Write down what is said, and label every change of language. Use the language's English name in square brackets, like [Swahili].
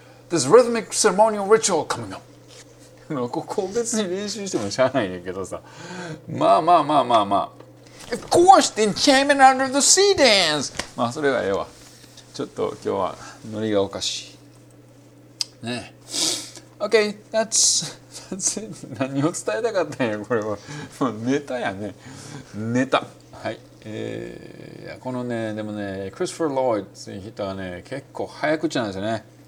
[English] This rhythmic ceremonial ritual coming up. [Japanese] ここ別に練習してもしゃあないんやけどさ。まあまあまあまあまあ。 [English] Of course, the enchantment under the sea dance! [Japanese] まあそれはええわ。ちょっと今日はノリがおかしい。 [English] ねえ。Okay, that's it. [Japanese] 何を伝えたかったんや、これは。ネタやね。ネタ。はい。このね、でもね、クリストファー・ロイドっていう人はね、結構早口なんですよね。